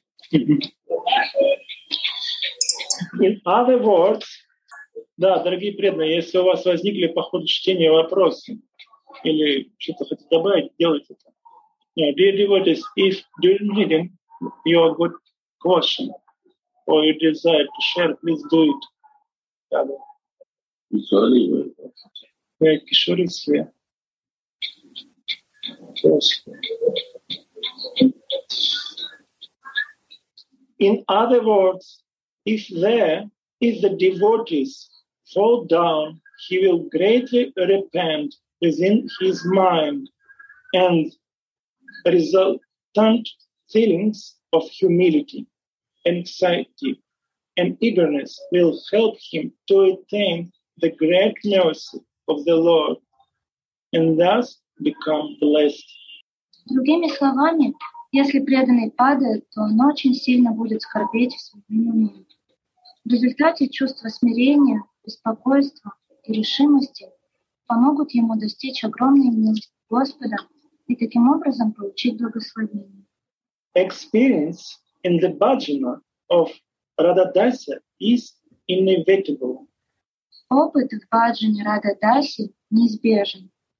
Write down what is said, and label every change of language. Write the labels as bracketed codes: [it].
[en] In other words, [ru] да, дорогие преданные, если у вас возникли по ходу чтения вопросы или что-то хотите добавить, делайте это. [en] Yeah, dear devotees, if during reading you have got question or you desire to share, please do it. Kishori. Yeah, Kishori is here. In other words, if there is the devotees fall down, he will greatly repent within his mind and resultant feelings of humility, anxiety, and eagerness will help him to attain the great mercy of the Lord and thus become blessed. [ru] Другими словами, если преданный падает, то он очень сильно будет скорбеть в своем уме. В результате чувства смирения, беспокойства и решимости помогут ему достичь огромной милости Господа и таким образом получить благословение. [en] Experience in the bhajana of Radha-dasa is inevitable. [ru] Опыт в бхаджане Радха-даси неизбежен.